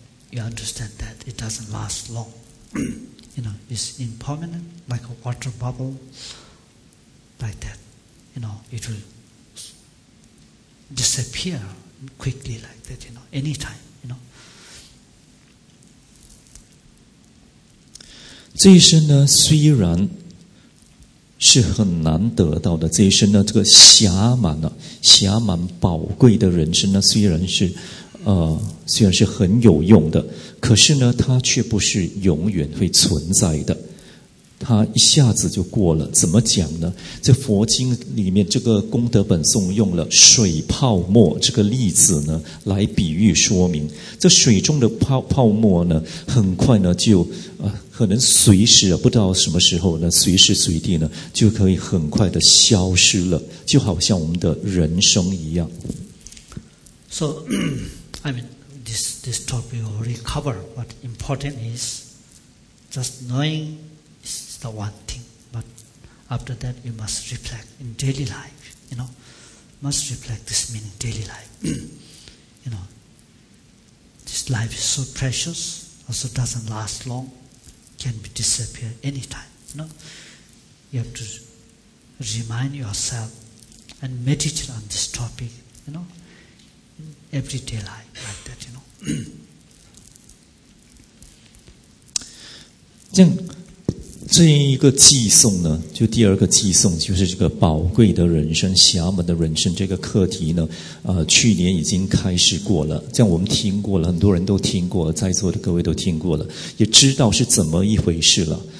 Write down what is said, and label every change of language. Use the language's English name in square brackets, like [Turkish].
[English] You understand that it doesn't last long, you know. It's impermanent, like a water bubble, like that, you know. It will. Disappear quickly like that, you know, anytime, you know. [Chinese] 这一生呢，虽然是很难得到的，这一生呢，这个狭满宝贵的人生呢，虽然是很有用的，可是呢，它却不是永远会存在的。他一下子就过了，怎么讲呢？这佛经里面这个功德本颂用了水泡沫这个例子呢，来比喻说明，这水中的泡沫呢，很快呢就可能随时不知道什么时候呢，随时随地呢就可以很快的消失了，就好像我们的人生一样。 [English] So, I mean, this topic will recover, but important is just knowing. The one thing, but after that you must reflect in daily life, you know, must reflect this meaning daily life. You know, this life is so precious, also doesn't last long, can be disappear anytime, you know. You have to remind yourself and meditate on this topic, you know, in everyday life like that, you know. [Chinese] 静这一个偈颂呢，就第二个偈颂，就是这个宝贵的人生、狭门的人生这个课题呢，去年已经开始过了，这样我们听过了，很多人都听过了，在座的各位都听过了，也知道是怎么一回事了。